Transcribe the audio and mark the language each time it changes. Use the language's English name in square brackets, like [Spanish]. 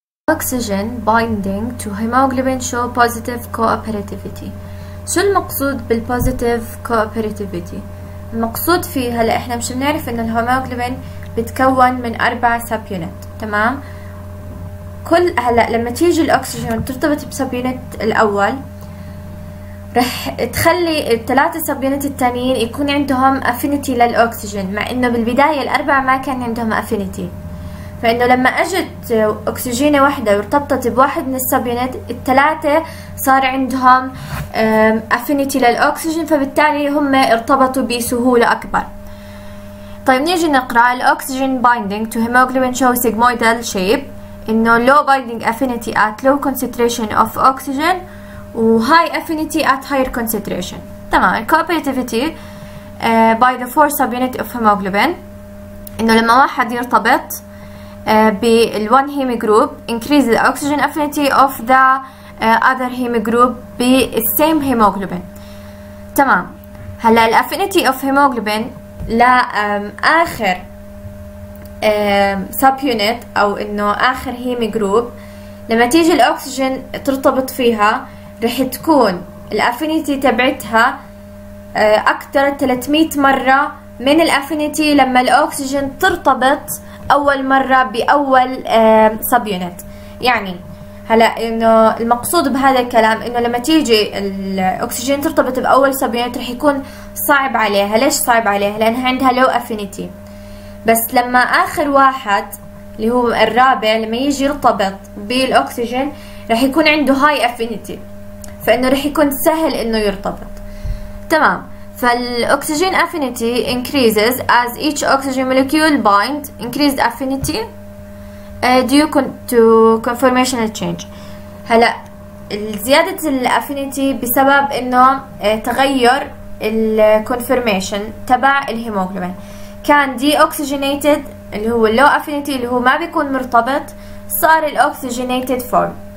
[English] Oxygen binding to hemoglobin show positive cooperativity. [Arabic] شو المقصود بالpositive cooperativity؟ المقصود فيه هلا احنا مش بنعرف انه الهيموغلوبين بتكون من 4 سب يونت. تمام؟ كل هلا لما تيجي الاكسجين وترتبط بسب يونت الاول رح تخلي الثلاثة سبيونت التانيين يكون عندهم أفينيتي للأكسجين، مع إنه بالبداية الأربعة ما كان عندهم أفينيتي. فإنه لما أجت أكسجينة واحدة وارتبطت بواحد من السبيونت، الثلاثة صار عندهم أفينيتي للأكسجين، فبالتالي هم ارتبطوا بسهولة أكبر. طيب نيجي نقرأ الأكسجين [English] binding to hemoglobin show sigmoidal shape، [Arabic] إنه [English] low binding affinity at low concentration of oxygen [Arabic] و [English] high affinity at higher concentration. [Arabic] تمام. [English] cooperativity by the four subunit of hemoglobin، [Arabic] إنه لما واحد يرتبط بال [English] one heme group increase the oxygen affinity of the other heme group بال same hemoglobin. [Arabic] تمام. هلا ال [English] affinity of hemoglobin [Arabic] لآخر subunit أو إنه آخر [English] heme group [Arabic] لما تيجي الأكسجين ترتبط فيها رح تكون الافينيتي تبعتها اكثر 300 مره من الافينيتي لما الاكسجين ترتبط اول مره باول سب يونت. يعني هلا انه المقصود بهذا الكلام انه لما تيجي الاكسجين ترتبط باول سب يونت رح يكون صعب عليها. ليش صعب عليها؟ لانها عندها لو افينيتي. بس لما اخر واحد اللي هو الرابع لما يجي يرتبط بالاكسجين رح يكون عنده هاي افينيتي، فانه رح يكون سهل انه يرتبط. تمام. فالاكسجين افينيتي [English] increases as each oxygen molecule bind increased affinity due to conformational change. [Arabic] هلا زيادة الافينيتي بسبب انه تغير الconformation تبع الهيموغلوبين. كان deoxygenated اللي هو low affinity اللي هو ما بيكون مرتبط، صار الoxygenated form.